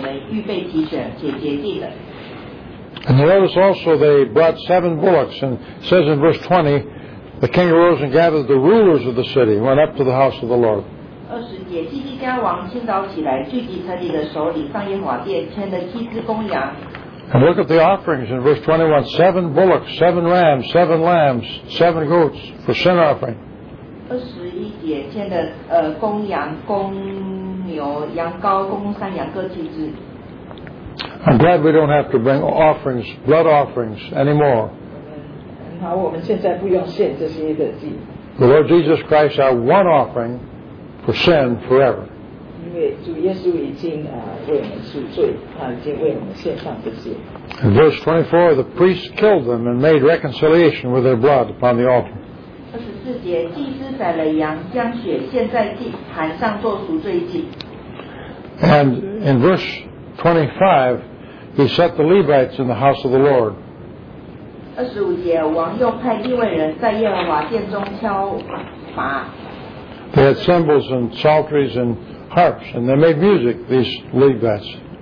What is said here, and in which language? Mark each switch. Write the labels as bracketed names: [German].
[English] And you notice also they brought seven bullocks, and it says in verse 20, the king arose and gathered the rulers of the city, went up to the house of the Lord. [Chinese] 二十节，西西家王清早起来，聚集城里的首领，上耶和华殿，牵着七只公羊。 [English] And look at the offerings in verse 21. 7 bullocks, 7 rams, 7 lambs, 7 goats for sin offering. [Chinese] 21节牵的公羊、公牛、羊羔、公山羊各七只。 [English] I'm glad we don't have to bring offerings, blood offerings anymore. [Chinese] 很好，我们现在不用献这些的祭。 [English] The Lord Jesus Christ our one offering for sin forever. [Chinese] 因为主耶稣已经为我们赎罪，他已经为我们献上这些。 [English] In verse 24, the priests killed them and made reconciliation with their blood upon the altar. [Chinese] 24节，祭司宰了羊，将血献在祭坛上做赎罪祭。 [English] And in verse 25, he set the Levites in the house of the Lord. [Chinese] 25节，王又派利未人在耶和华殿中敲罚。 [English] They had cymbals and psalteries and harps, and they made music, these Levites.